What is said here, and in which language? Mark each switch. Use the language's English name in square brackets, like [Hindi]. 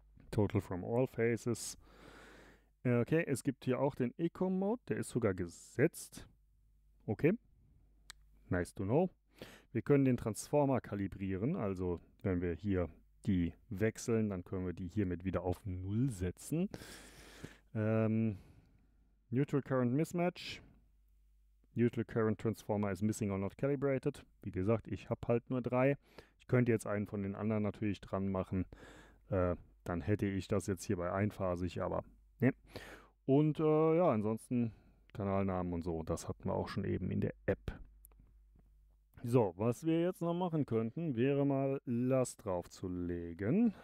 [English] Total from all faces. [German] Okay, es gibt hier auch den Eco-Mode, der ist sogar gesetzt. Okay, [English] nice to know. [German] Wir können den Transformer kalibrieren, also wenn wir hier die wechseln, dann können wir die hiermit wieder auf Null setzen. [English] Neutral Current Mismatch. Neutral Current Transformer is missing or not calibrated. [German] Wie gesagt, ich habe halt nur drei. Ich könnte jetzt einen von den anderen natürlich dran machen. Dann hätte ich das jetzt hier bei einphasig, aber ne. Und ja, ansonsten Kanalnamen und so, das hatten wir auch schon eben in der App. So, was wir jetzt noch machen könnten, wäre mal Last draufzulegen.